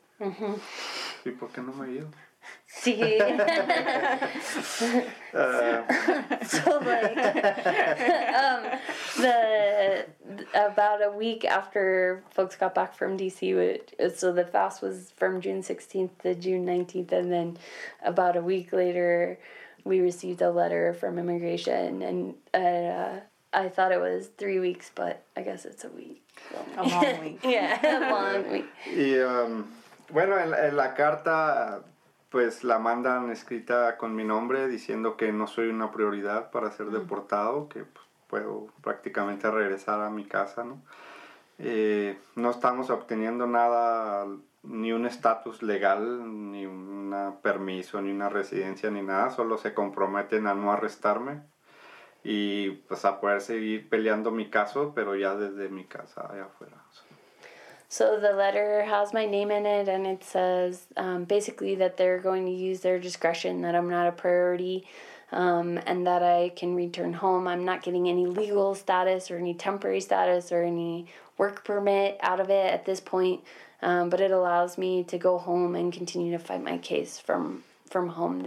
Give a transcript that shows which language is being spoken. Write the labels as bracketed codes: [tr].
[es] Uh-huh. ¿Y por qué no me he ido? Sí. [en] About a week after folks got back from D.C., so the fast was from June 16th to June 19th, and then about a week later, we received a letter from immigration, and I thought it was 3 weeks, but I guess it's a week. A long week. [es] Y, bueno, en la carta, pues, la mandan escrita con mi nombre, diciendo que no soy una prioridad para ser deportado, que pues, puedo prácticamente regresar a mi casa, ¿no? No estamos obteniendo nada, ni un estatus legal, ni un permiso, ni una residencia, ni nada. Solo se comprometen a no arrestarme y, pues, a poder seguir peleando mi caso, pero ya desde mi casa, allá afuera. [en] So the letter has my name in it, and it says basically that they're going to use their discretion, that I'm not a priority, and that I can return home. I'm not getting any legal status or any temporary status or any work permit out of it at this point, but it allows me to go home and continue to fight my case from home.